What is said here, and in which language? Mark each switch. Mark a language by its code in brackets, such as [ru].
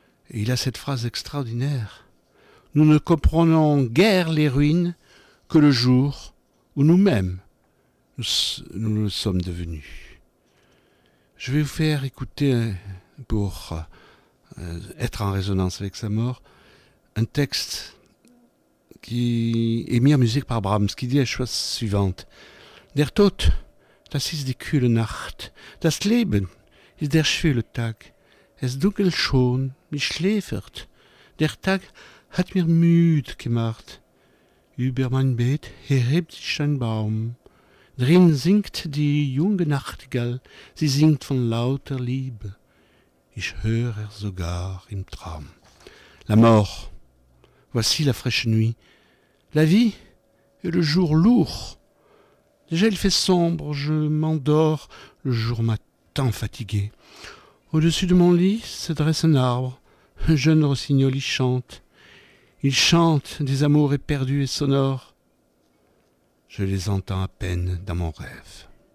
[fr] Et il a cette phrase extraordinaire. « Nous ne comprenons guère les ruines que le jour où nous-mêmes nous le sommes devenus. » Je vais vous faire écouter, pour être en résonance avec sa mort, un texte qui est mis en musique par Brahms, qui dit la chose suivante. [de] « Der Tod, das ist die kühle Nacht. Das Leben ist der schwüle Tag. Es dunkelt schon, mich schläfert. Der Tag hat mir müde gemacht. Über mein Bett erhebt sich ein Baum. Drin singt die junge Nachtigall. Sie singt von lauter Liebe. Ich höre sogar im Traum. [fr] » La mort, voici la fraîche nuit. La vie est le jour lourd. Déjà il fait sombre, je m'endors, le jour m'a tant fatigué. Au-dessus de mon lit se dresse un arbre, un jeune rossignol y chante. Il chante des amours éperdus et sonores. Je les entends à peine dans mon rêve.